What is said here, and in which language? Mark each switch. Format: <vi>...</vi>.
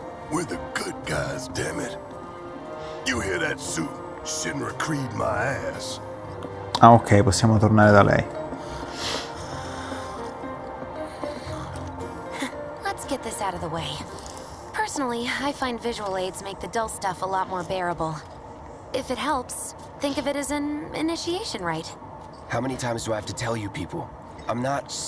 <en>We're the good guys, damn it. You hear that suit? Shinra Creed my ass.</en> <it>Ah, ok, possiamo tornare da lei.</it> <en>Let's get this out of the way. Personally, I find visual aids make the dull stuff a lot more bearable. If it helps, think of it as an initiation rite. How many times do I have to tell you people? I'm not...</en>